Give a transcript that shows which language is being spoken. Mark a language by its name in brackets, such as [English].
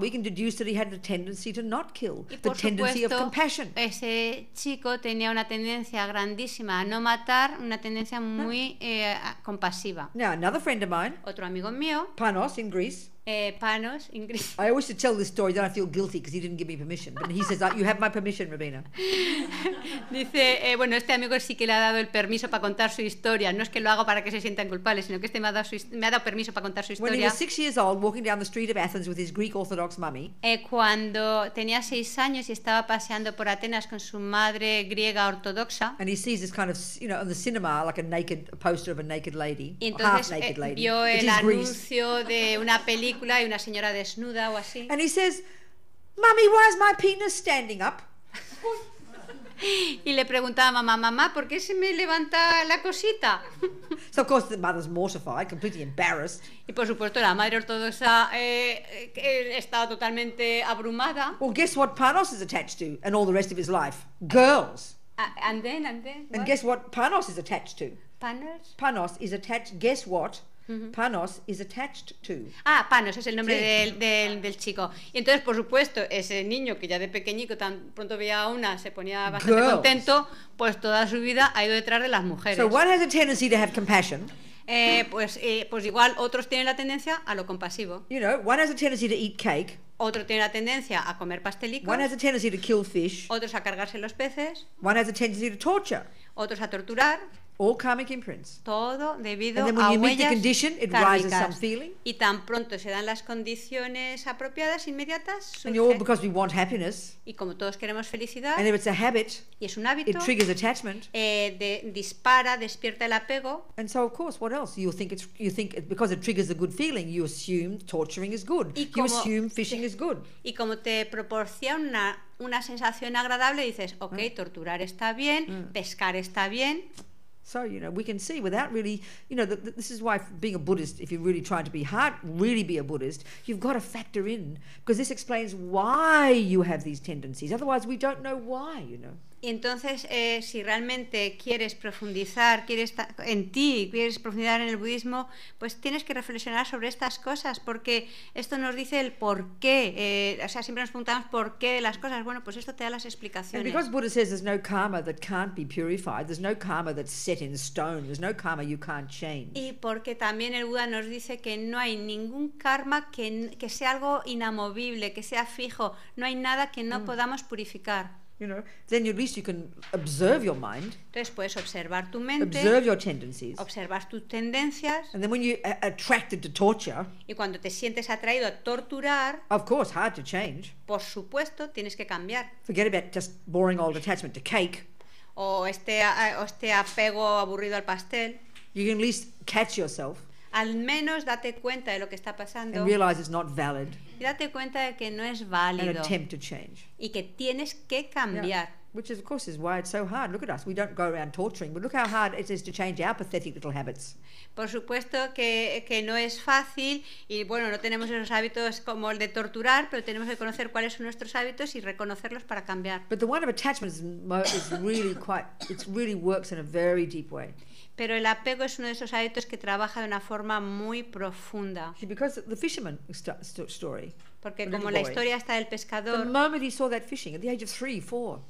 [English] We can deduce that he had the tendency to not kill. The tendency of compassion. [Spanish] Ese chico tenía una tendencia grandísima a no matar, una tendencia muy compasiva. [English] Now another friend of mine. [Spanish] Otro amigo mío. [English] Panos in Greece. Panos in Greece. I always to tell this story that I feel guilty because he didn't give me permission. But he says, "You have my permission, Rabina." [Spanish] Dice, bueno, este amigo sí que le ha dado el permiso para contar su historia. No es que lo haga para que se sientan culpables, sino que este me ha dado permiso para contar su historia. [English] When he was 6 years old, walking down the street of Athens with his Greek Orthodox mummy. [Spanish] Cuando tenía 6 años y estaba paseando por Atenas con su madre griega ortodoxa. [English] And he sees this kind of, you know, in the cinema, like a naked a poster of a naked lady, half-naked lady. [Spanish] Vio el anuncio de una película y una señora desnuda o así. [English] And he says, "Mommy, why is my penis standing up?" [Spanish] Y le preguntaba a mamá, mamá, ¿por qué se me levanta la cosita? [English] So of course the mother's mortified, completely embarrassed. [Spanish] Y por supuesto la madre ortodoxa estaba totalmente abrumada. [English] Well, guess what Panos is attached to and all the rest of his life? Girls. And then what? And guess what Panos is attached to? Panos? Panos is attached, guess what? Mm-hmm. Panos is attached to. [Spanish] Ah, Panos es el nombre del chico. Y entonces, por supuesto, ese niño que ya de pequeñico tan pronto veía a una, se ponía bastante [English] girls. [Spanish] Contento, pues toda su vida ha ido detrás de las mujeres. [English] So one has a tendency to have compassion. [Spanish] Pues igual otros tienen la tendencia a lo compasivo. [English] You know, one has a tendency to eat cake. [Spanish] Otro tiene la tendencia a comer pastelico. [English] One has a tendency to kill fish. [Spanish] Otros a cargarse los peces. [English] One has a tendency to torture. [Spanish] Otros a torturar. [English] All karmic imprints. [Spanish] Todo debido a huellas. [English] And then when you meet the condition, it [Spanish] kármicas. [English] Rises some feeling. [Spanish] Y tan pronto se dan las condiciones apropiadas, inmediatas. Surge. [English] And all because we want happiness. [Spanish] Y como todos queremos felicidad. [English] And if it's a habit. [Spanish] Y es un hábito. [English] It triggers attachment. [Spanish] Dispara, despierta el apego. [English] And so, of course, what else? You think it's because it triggers a good feeling. You assume torturing is good. [Spanish] Y como, [English] you assume fishing is good. [Spanish] Y como te proporciona una sensación agradable, dices, okay, torturar está bien, pescar está bien. [English] So, you know, we can see without really, you know, this is why being a Buddhist, if you're really trying to be hard, really be a Buddhist, you've got to factor in, because this explains why you have these tendencies. Otherwise, we don't know why, you know. [Spanish] Entonces, si realmente quieres profundizar, quieres profundizar en el budismo, pues tienes que reflexionar sobre estas cosas, porque esto nos dice el por qué. Siempre nos preguntamos por qué las cosas. Bueno, pues esto te da las explicaciones. [English] And because Buddha says there's no karma that can't be purified, there's no karma that's set in stone, there's no karma you can't change. [Spanish] Y porque también el Buda nos dice que no hay ningún karma que sea algo inamovible, que sea fijo. No hay nada que no podamos purificar. [English] You know, then at least you can observe your mind. [Spanish] Entonces puedes observar tu mente. [English] Observe your tendencies. [Spanish] Observas tus tendencias. [English] And then when you attracted to torture. [Spanish] Y cuando te sientes atraído a torturar. [English] Of course, hard to change. [Spanish] Por supuesto, tienes que cambiar. [English] Forget about just boring old attachment to cake. [Spanish] O este apego aburrido al pastel. [English] You can at least catch yourself. [Spanish] Al menos date cuenta de lo que está pasando. [English] And realize it's not valid. [Spanish] Y date cuenta de que no es válido. [English] An attempt to change. [Spanish] Y que tienes que cambiar. [English] Yeah. Which is, of course, is why it's so hard. Look at us. We don't go around torturing, but look how hard it is to change our pathetic little habits. [Spanish] Por supuesto que no es fácil y bueno, no tenemos esos hábitos como el de torturar, pero tenemos que conocer cuáles son nuestros hábitos y reconocerlos para cambiar. [English] But the one of attachment really works in a very deep way. [Spanish] Pero el apego es uno de esos hábitos que trabaja de una forma muy profunda. [English] See, because the fisherman story. [Spanish] Porque como la historia está del pescador. [English] The moment he saw that fishing at the age of 3-4.